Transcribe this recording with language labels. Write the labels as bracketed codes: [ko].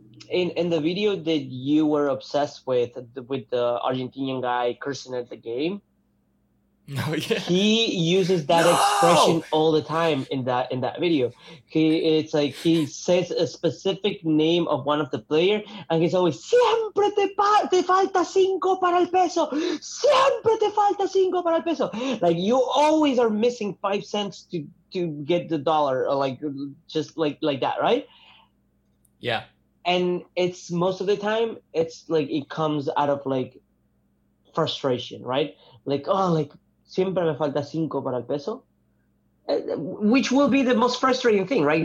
[en] In the video that you were obsessed with the Argentinian guy cursing at the game, he uses that expression all the time in that video. It's like he says a specific name of one of the player, and he's always, [es] siempre te falta cinco para el peso. Siempre te falta cinco para el peso. [en] Like you always are missing 5 cents to get the dollar, or like just like that, right? Yeah. And it's most of the time, it's like it comes out of like frustration, right? Like, oh, like [es] siempre me falta cinco para el peso, [en] which will be the most frustrating thing, right?